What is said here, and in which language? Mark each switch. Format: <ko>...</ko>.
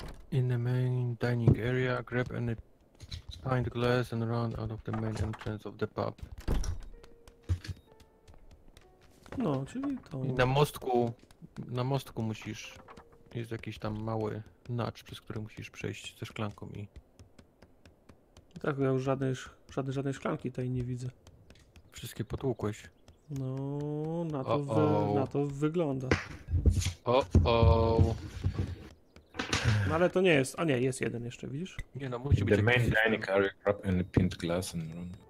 <en>In the main dining area, grab any pint glass and run out of the main entrance of the pub.</en> <pl>No, czyli to... I na mostku musisz, jest jakiś tam mały nacz, przez który musisz przejść ze szklanką i... Tak, ja już żadnej szklanki tutaj nie widzę. Wszystkie potłukłeś. No, na to wygląda. O-o. No ale to nie jest, a nie, jest jeden jeszcze, widzisz? Nie, no musi</pl> <en>the</en> <pl>być</pl> <en>main dining area, grab and pint glass and run.</en>